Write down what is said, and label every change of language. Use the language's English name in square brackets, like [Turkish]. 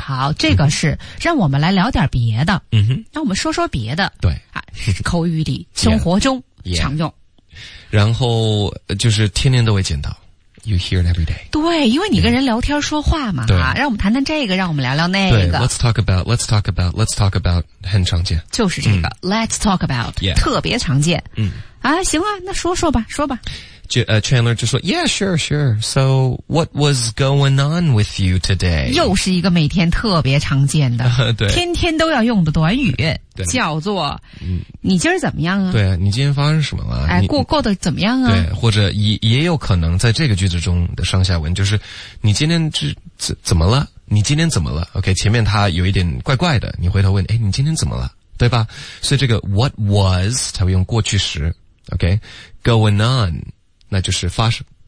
[Chinese] 好，这个是让我们来聊点别的。嗯哼，让我们说说别的。对，啊，口语里生活中常用。然后就是天天都会见到。 [English] You hear it every day. [Chinese] 对，因为你跟人聊天说话嘛、 [English] yeah. [Chinese] 啊、让我们谈谈这个，让我们聊聊那个。 [English] 对 ,let's talk about, let's talk about, let's talk about, [Chinese] 很常见。就是这个、嗯、, [English] let's talk about,、 yeah. [Chinese] 特别常见。嗯。啊行啊，那说说吧说吧。 [English] Chandler [Chinese] 就说 [English] ,yeah, sure, sure. So, what was going on with you today? [Chinese] 又是一个每天特别常见的。对。天天都要用的短语。对，叫做、嗯、你今儿怎么样啊，对你今天发生什么了、哎、过得怎么样啊，对，或者 也有可能在这个句子中的上下文就是你今天怎么了，你今天怎么了， OK, 前面他有一点怪怪的，你回头问哎，你今天怎么了，对吧，所以这个 [English] what was [Chinese] 才会用过去时， OK, [English] going on [Chinese] 那就是发生